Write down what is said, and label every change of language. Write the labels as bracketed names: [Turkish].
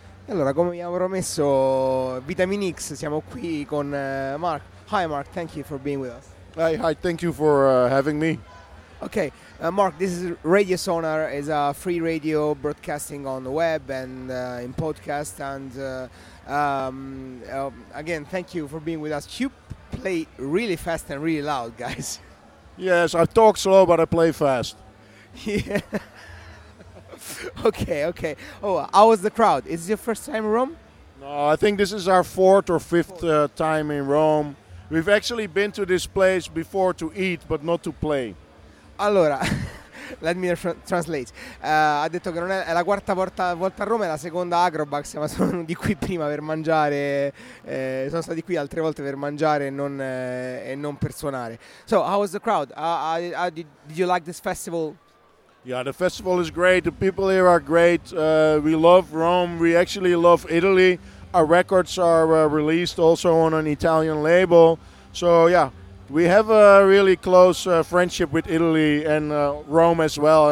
[Italian] Allora, come vi avevo promesso, Vitamin X, siamo qui con Mark. [English] Hi Mark, thank you for being with us. Hi, thank you for having me. Okay, Mark, this is Radio Sonar. It's a free radio broadcasting on the web and in podcast. And again, thank you for being with us. You play really fast and really loud, guys. Yes, I talk slow, but I play fast. Yeah. Okay. Oh, how was the crowd? Is this your first time in Rome? No, I think this is our fourth or fifth time in Rome. We've actually been to this place before to eat, but not to play. Allora, let me translate. [Italian] Ha detto che non è la quarta volta a Roma, è la seconda Agrobax, ma sono di qui prima per mangiare. Sono stati qui altre volte per mangiare e non per suonare. [English] So, how was the crowd? Did you like this festival? Yeah, the festival is great. The people here are great. We love Rome. We actually love Italy. Our records are released also on an Italian label. So, yeah, we have a really close friendship with Italy and Rome as well.